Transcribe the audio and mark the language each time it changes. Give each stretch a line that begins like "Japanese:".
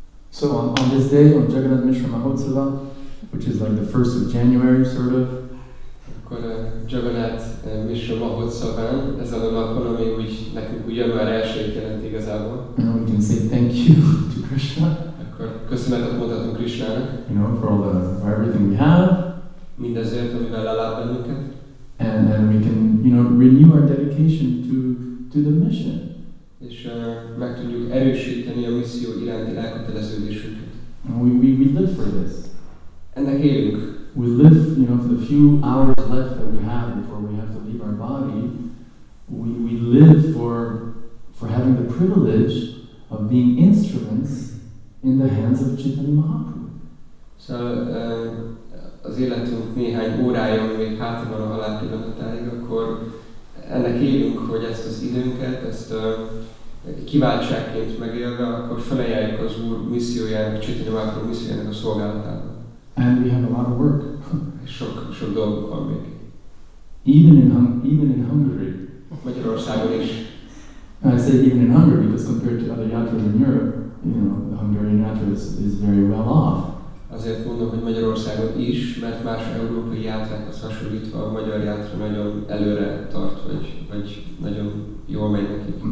English: So on this day, on Jagannath Mishra Mahotsava, which is like the 1st of January, sort of.
Hungarian: Akkor a Jagannath Mishra Mahotsavan, ez a napon, ami úgy nekünk úgy január 1-ét jelent igazából.
English: And we can say thank you to Krishna.
Hungarian: Akkor köszönetet mondhatunk Krishnának.
English: You know, for everything we have.
Hungarian: Mindezért, amivel elállt bennünket.
English: And then we can, you know, renew our dedication to the mission.
Hungarian: És meg tudjuk erősíteni a misszió iránti elköteleződésünket.
English: We live for this.
Hungarian: Ennek élünk.
English: We live, you know, for the few hours left that we have before we have to leave our body. We live for having the privilege of being instruments in the hands of Chaitanya Mahaprabhu.
Hungarian: Szóval az életünk néhány órája, ami még hátra van a halál pillanatáig, akkor ennek élünk, hogy ezt az időnket, ezt kiváltságként megélve, akkor felajánljuk az Úr missziójának, Chaitanya Mahaprabhu missziójának a szolgálatába.
English: And we have a lot of work.
Hungarian: Sok dolgunk van még.
English: Even in Hungary.
Hungarian: Magyarországon is.
English: I say even in Hungary, because compared to other yatras in Europe, you know, the Hungarian yatra is very well off.
Hungarian: Azért mondom, hogy Magyarországon is, mert más európai játrákhoz hasonlítva a magyar játra nagyon előre tart, vagy nagyon jól megy nekik.